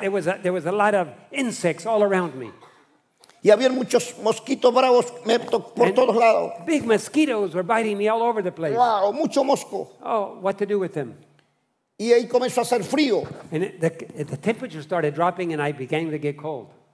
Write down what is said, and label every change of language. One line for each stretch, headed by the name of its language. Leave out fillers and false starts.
English: There was a lot of insects all around me.
Spanish: Y había muchos mosquitos bravos por todos lados.
English: Big mosquitoes were biting me all over the place.
Spanish: Wow, mucho mosco.
English: Oh, what to do with them?
Spanish: Y ahí comenzó a hacer frío.
English: And the temperature started dropping and I began to get cold.